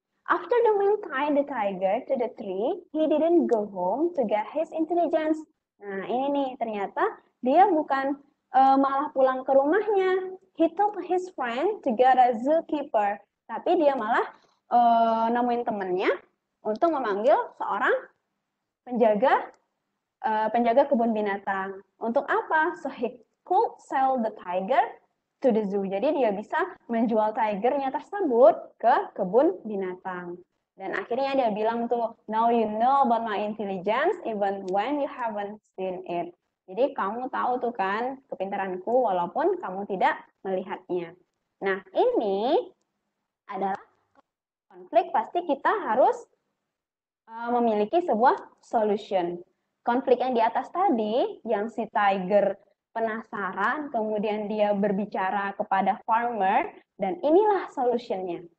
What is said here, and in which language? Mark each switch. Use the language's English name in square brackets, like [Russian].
[English] After the man tied the tiger to the tree, he didn't go home to get his intelligence. [Indonesian] Nah, ini nih, ternyata dia bukan malah pulang ke rumahnya. [English] He told his friend to get a zookeeper. [Indonesian] Tapi dia malah nemuin temennya untuk memanggil seorang penjaga penjaga kebun binatang. Untuk apa? [English] So he could sell the tiger to the zoo. [Indonesian] Jadi dia bisa menjual tigernya tersebut ke kebun binatang. Dan akhirnya dia bilang tuh, [English] "Now you know about my intelligence even when you haven't seen it." [Indonesian] Jadi kamu tahu tuh kan kepintaranku walaupun kamu tidak melihatnya. Nah, ini adalah konflik, pasti kita harus memiliki sebuah solution. Konflik yang di atas tadi yang si tiger penasaran, kemudian dia berbicara kepada farmer, dan inilah solutionnya.